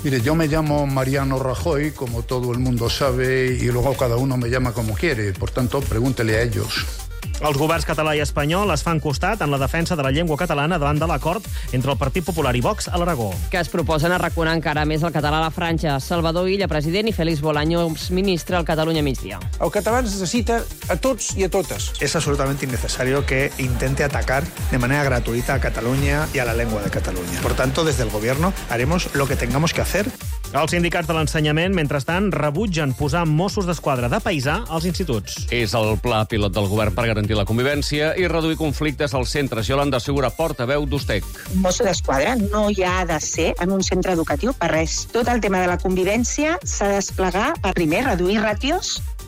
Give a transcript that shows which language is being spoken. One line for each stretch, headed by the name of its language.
Spanish: Mire, yo me llamo Mariano Rajoy, como todo el mundo sabe, y luego cada uno me llama como quiere. Por tanto, pregúntele a ellos.
Catalan: Els governs català i espanyol es fan costat en la defensa de la llengua catalana davant de l'acord entre el Partit Popular i Vox a l'Aragó. Que es proposen arraconar encara més el català a la franja. Salvador Illa, president, i Félix Bolaños, ministre, al Catalunya Migdia. El català ens necessita a tots i a totes. És absolutament innecessari que intente atacar de manera gratuïta a Catalunya i a la llengua de Catalunya.
Spanish: Por tanto, desde el gobierno haremos lo que tengamos que hacer.
Catalan: Els sindicats de l'ensenyament, mentrestant, rebutgen posar Mossos d'Esquadra de paisà als instituts. És el pla pilot del govern per garantir la convivència i reduir conflictes als centres. Yolanda Segura, portaveu d'USTEC. Mosso d'Esquadra no hi ha de ser en un centre educatiu per res. Tot el tema de la convivència s'ha de desplegar per primer reduir ràtios.